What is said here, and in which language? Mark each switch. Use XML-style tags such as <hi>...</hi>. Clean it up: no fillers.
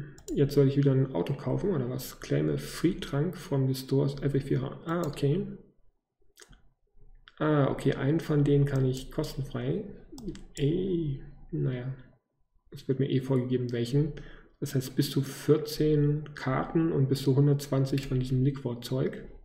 <de>Jetzt soll ich wieder ein Auto kaufen oder was?</de> <en>Claim a free trunk from the stores every 4 hours. Ah, okay.</en> <de>Ah, okay, einen von denen kann ich kostenfrei. Ey, naja, es wird mir eh vorgegeben, welchen. Das heißt, bis zu 14 Karten und bis zu 120 von diesem Liquor-Zeug.</de>